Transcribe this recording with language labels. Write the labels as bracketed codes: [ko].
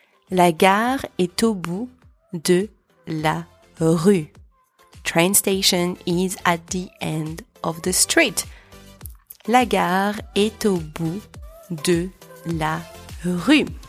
[fr] La gare est au bout de la rue. [en] The train station is at the end of the street. [fr] La gare est au bout de la rue.